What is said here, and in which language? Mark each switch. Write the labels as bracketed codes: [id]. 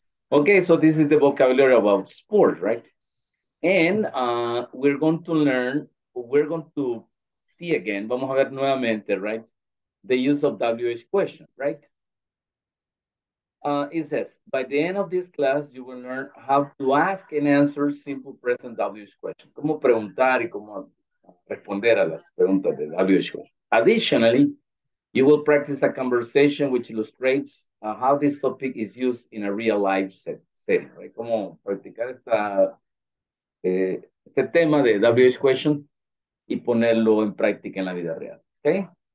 [en] Okay, so this is the vocabulary about sport, right? And we're going to learn, we're going to see again, [es] vamos a ver nuevamente, [en] right? The use of WH question, right? It says, by the end of this class, you will learn how to ask and answer simple present WH questions. [es] Cómo preguntar y cómo responder a las preguntas de WH questions. [en] Additionally, you will practice a conversation which illustrates how this topic is used in a real life setting, right? [es] Cómo practicar esta, este tema de WH question y ponerlo en práctica en la vida real, okay?